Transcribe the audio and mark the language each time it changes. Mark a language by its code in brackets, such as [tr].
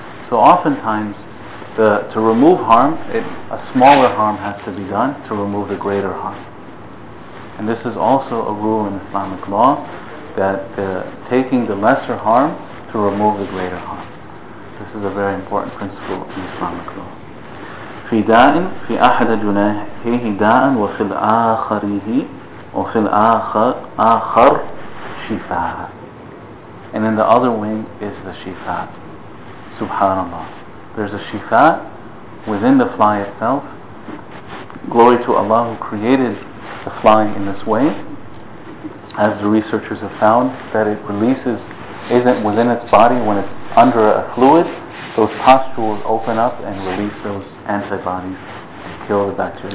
[en] So oftentimes, to remove harm, a smaller harm has to be done to remove the greater harm. And this is also a rule in Islamic law, that taking the lesser harm to remove the greater harm. This is a very important principle in Islamic law. [ar] في داء في أحد جناحيه داء وفي الآخره وفي الآخر شفاء. [en] And in the other wing is the shifa. SubhanAllah. there's a shifa within the fly itself. Glory to Allah who created the fly in this way. As the researchers have found, that it releases, isn't within its body when it's under a fluid, those pustules open up and release those antibodies to kill the bacteria.